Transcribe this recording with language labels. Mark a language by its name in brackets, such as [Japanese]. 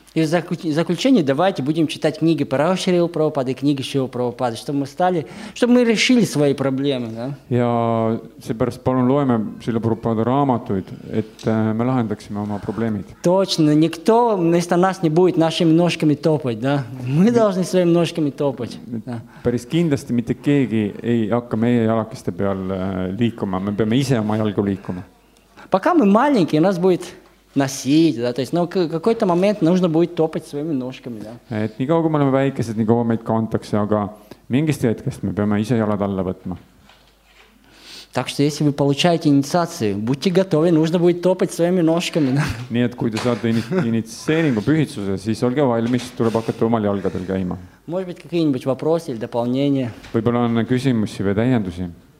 [Russian] И в заключение давайте будем читать книги Парашрил Прабхупады, книги Шива Прабхупады, чтобы мы решили свои проблемы. Да? [Estonian] Ja seepärast palun loeme Шива Прабхупада raamatuid, et me lahendaksime oma probleemid. [Russian] Точно, никто вместо нас не будет нашими ножками топать. Да? Мы должны своими ножками топать. Да. [Estonian] Päris kindlasti mitte keegi ei hakka meie jalakeste peal liikuma. Me peame ise oma jalgu liikuma. [Russian] Пока мы маленькие, нас будет... носить, да, то есть, но в какой-то момент нужно будет топать своими ножками, да. [Estonian] Et nii kaua, kui me oleme väikesed, nii kaua meid kantakse, aga mingist hetkest me peame ise jalad alla võtma. [Russian] Так что если вы получаете инициацию, будьте готовы, нужно будет топать своими ножками. [Estonian] Нет, et kui te saate initsieeringu pühitsuse, siis olge valmis, tuleb hakata omal jalgadel käima. [Russian] Может быть, какие-нибудь вопросы или дополнения? [Estonian] Võib-olla on küsimusi või täiendusi?